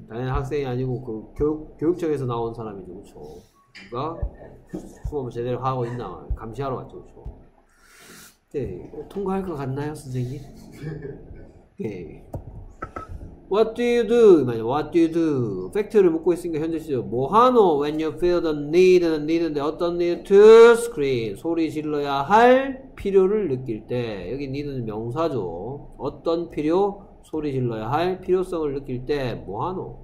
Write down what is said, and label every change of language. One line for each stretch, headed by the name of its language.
Korean: 당연히 학생이 아니고 그 교육청에서 나온 사람이죠. 그렇죠. 그러니까 수업을 제대로 하고 있나 감시하러 왔죠. 그렇죠. 오케이. 통과할 것 같나요, 선생님? 오케이.
English: What do you do?
Korean: 맞아.
English: What do you do?
Korean: 팩트를 묻고 있으니까 현재 시제 뭐 하노?
English: When you feel the need and need인데
Korean: 어떤
English: need? To scream.
Korean: 소리 질러야 할 필요를 느낄 때. 여기 need는 명사죠. 어떤 필요? 소리 질러야 할 필요성을 느낄 때 뭐 하노?